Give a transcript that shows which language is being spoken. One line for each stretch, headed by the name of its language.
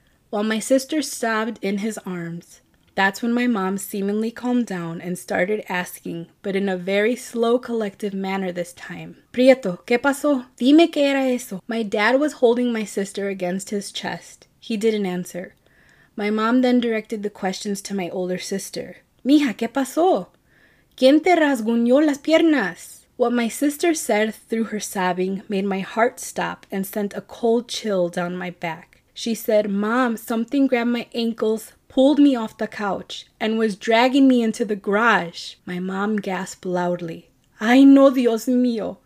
English: While my sister sobbed in his arms, that's when my mom seemingly calmed down and started asking, but in a very slow, collective manner this time. Prieto,
Spanish: ¿qué pasó? Dime qué era eso.
English: My dad was holding my sister against his chest. He didn't answer. My mom then directed the questions to my older sister.
Spanish: Mija, ¿qué pasó? ¿Quién te rasguñó las piernas?
English: What my sister said through her sobbing made my heart stop and sent a cold chill down my back. She said, Mom, something grabbed my ankles, pulled me off the couch, and was dragging me into the garage. My mom gasped loudly.
Spanish: Ay no, Dios mío.